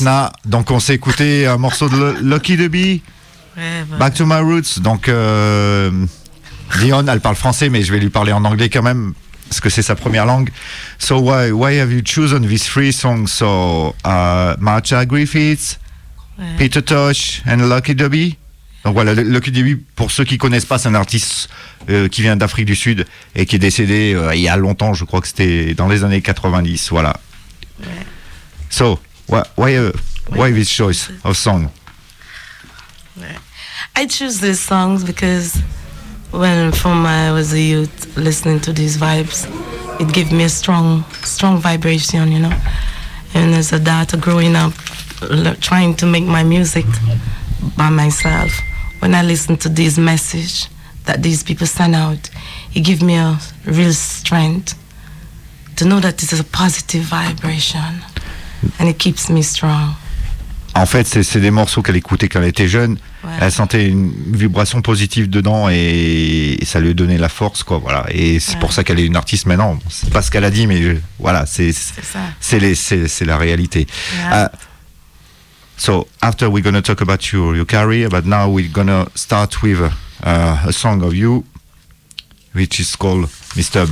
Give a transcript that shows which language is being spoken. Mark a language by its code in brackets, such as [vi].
[en] Now, [fr] donc on s'est écouté un morceau de Lucky to Be, ouais, [en] Back to My Roots. [fr] Donc, Dion, elle parle français, mais je vais lui parler en anglais quand même, parce que c'est sa première langue. [en] So why have you chosen these three songs? So, Marcia Griffiths, [fr] ouais. [en] Peter Tosh and Lucky to Be. [fr] Donc voilà, Lucky to Be, pour ceux qui ne connaissent pas, c'est un artiste qui vient d'Afrique du Sud et qui est décédé il y a longtemps, je crois que c'était dans les années 90, voilà. Ouais. [en] So, why this choice of song? I choose these songs because when from I was a youth listening to these vibes, it gave me a strong vibration, you know. and as a daughter growing up, trying to make my music by myself, when I listen to this message that these people send out, it gives me a real strength to know that this is a positive vibration, and it keeps me strong. [fr] En fait, c'est des morceaux qu'elle écoutait quand elle était jeune. Ouais. Elle sentait une vibration positive dedans et ça lui donnait la force, quoi. Voilà. Et c'est ouais. pour ça qu'elle est une artiste maintenant. C'est pas ce qu'elle a dit, mais voilà, c'est la réalité. [en] Yeah. So after we're gonna talk about your career, but now we're gonna start with a song of you, which is called Mr.